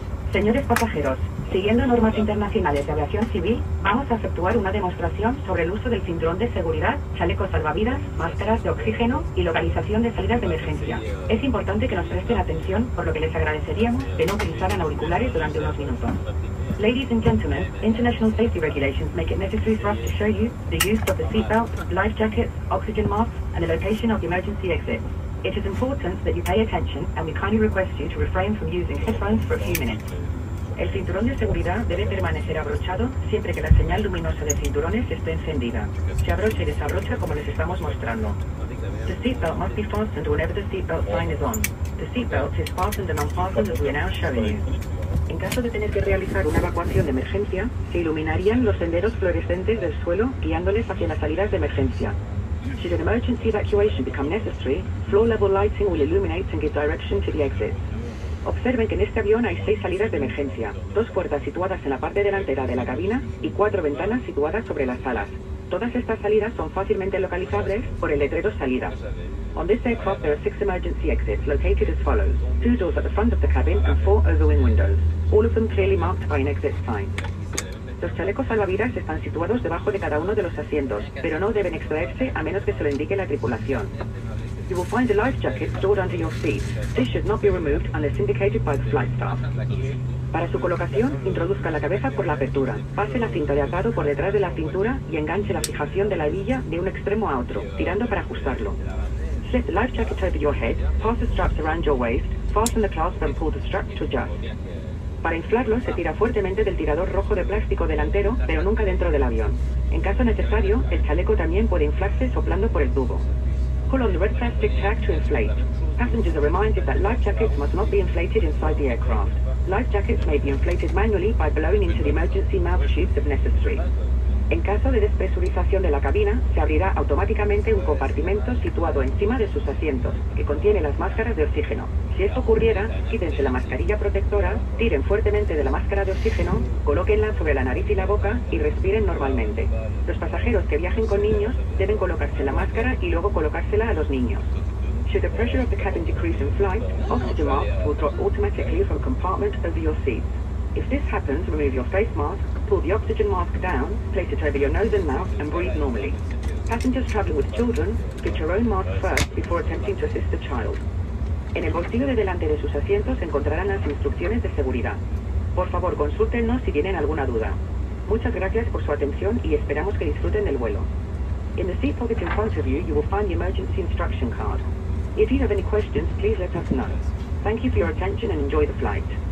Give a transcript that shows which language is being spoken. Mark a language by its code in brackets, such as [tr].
[es] Señores pasajeros, siguiendo normas internacionales de aviación civil, vamos a efectuar una demostración sobre el uso del cinturón de seguridad, chalecos salvavidas, máscaras de oxígeno y localización de salidas de emergencia. Es importante que nos presten atención, por lo que les agradeceríamos que no utilizaran auriculares durante unos minutos. [en] Ladies and gentlemen, international safety regulations make it necessary for us to show you the use of the seatbelt, life jackets, oxygen masks, and the location of the emergency exits. It is important that you pay attention, and we kindly request you to refrain from using headphones for a few minutes. [es] El cinturón de seguridad debe permanecer abrochado siempre que la señal luminosa de cinturones esté encendida. Se abrocha y desabrocha como les estamos mostrando. [en] The seatbelt must be fastened whenever the seatbelt sign is on. The seatbelt is fastened and unfastened as we are now showing you. [es] En caso de tener que realizar una evacuación de emergencia, se iluminarían los senderos fluorescentes del suelo guiándoles hacia las salidas de emergencia. [en] Should an emergency evacuation become necessary, floor-level lighting will illuminate and give direction to the exits. [es] Observen que en este avión hay 6 salidas de emergencia, 2 puertas situadas en la parte delantera de la cabina y 4 ventanas situadas sobre las alas. Todas estas salidas son fácilmente localizables por el letrero salida. [en] On this aircraft there are 6 emergency exits located as follows. 2 doors at the front of the cabin and 4 overwing windows, all of them clearly marked by an exit sign. [es] Los chalecos salvavidas están situados debajo de cada uno de los asientos, pero no deben extraerse a menos que se lo indique la tripulación. [en] You will find a life jacket stored under your seat. This should not be removed unless indicated by the flight staff. [es] Para su colocación, introduzca la cabeza por la apertura, pase la cinta de atado por detrás de la cintura y enganche la fijación de la hebilla de un extremo a otro, tirando para ajustarlo. [en] Slip the life jacket over your head, pass the straps around your waist, fasten the clasp and pull the straps to adjust. [es] Para inflarlo, se tira fuertemente del tirador rojo de plástico delantero, pero nunca dentro del avión. En caso necesario, el chaleco también puede inflarse soplando por el tubo. [en] Pull on the red plastic tag to inflate. Passengers are reminded that life jackets must not be inflated inside the aircraft. Life jackets may be inflated manually by blowing into the emergency mouth tubes if necessary. [es] En caso de despresurización de la cabina, se abrirá automáticamente un compartimento situado encima de sus asientos, que contiene las máscaras de oxígeno. Si esto ocurriera, quítense la mascarilla protectora, tiren fuertemente de la máscara de oxígeno, colóquenla sobre la nariz y la boca y respiren normalmente. Los pasajeros que viajen con niños deben colocarse la máscara y luego colocársela a los niños. [en] Should the pressure of the cabin decrease in flight, oxygen masks will drop automatically from compartment over your seats. If this happens, remove your face mask, pull the oxygen mask down, place it over your nose and mouth, and breathe normally. Passengers traveling with children, get your own mask first before attempting to assist the child. [es] En el bolsillo de delante de sus asientos encontrarán las instrucciones de seguridad. Por favor, consúltenos si tienen alguna duda. Muchas gracias por su atención y esperamos que disfruten del vuelo. [en] In the seat pocket in front of you, you will find the emergency instruction card. If you have any questions, please let us know. Thank you for your attention and enjoy the flight.